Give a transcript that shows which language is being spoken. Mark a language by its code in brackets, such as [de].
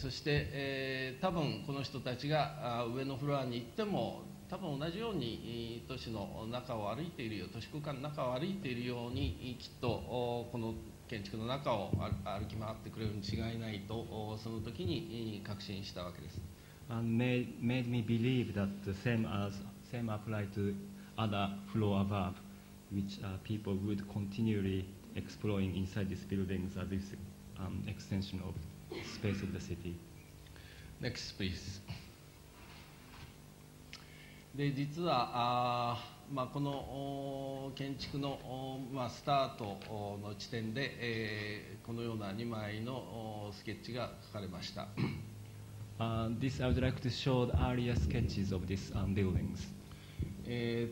[ja] そして、多分この人たちが上のフロアに行っても多分同じように都市の中を歩いているよ、都市空間の中を歩いているようにきっとこの建築の中を歩き回ってくれるに違いないと、その時に確信したわけです。 [en] And made me believe that the same apply to other floor above, which people would continually exploring inside these buildings as this extension of space of the city. Next, please. [ja] で実はまあ、この建築の、まあ、スタートの地点で、このような2枚のスケッチが描かれました。 [en] This I would like to show the earlier sketches of these buildings.